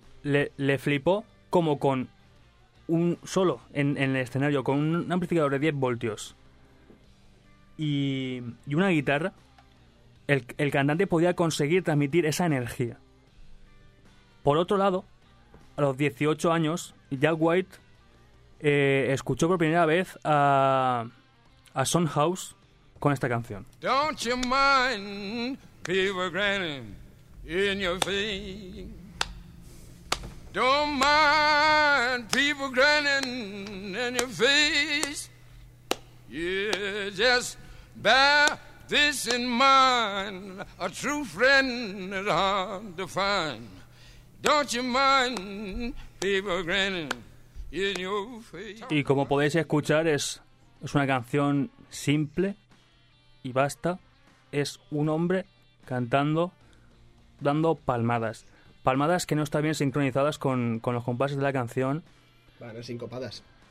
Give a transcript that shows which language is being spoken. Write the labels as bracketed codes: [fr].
[es] Le flipó como con un solo en el escenario, con un amplificador de 10 voltios y una guitarra, el cantante podía conseguir transmitir esa energía. Por otro lado, a los 18 años, Jack White escuchó por primera vez a Son House con esta canción. [en] Don't you mind people grinning in your face. Don't mind people grinning in your face. Yeah, just bear this in mind. A true friend is hard to find. Don't you mind people grinning in your face. [es] Y como podéis escuchar, es una canción simple. Y basta, es un hombre cantando, dando palmadas. Palmadas que no están bien sincronizadas con los compases de la canción. Vale, sincopadas.